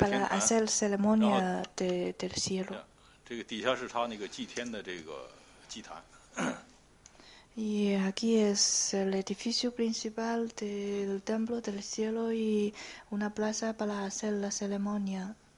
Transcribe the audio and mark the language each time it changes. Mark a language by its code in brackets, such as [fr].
[es] 天坛。Para hacer ceremonia del cielo. [zh] 这个底下是他那个祭天的这个祭坛。 [es] Y aquí es el edificio principal del templo del cielo y una plaza para hacer la ceremonia.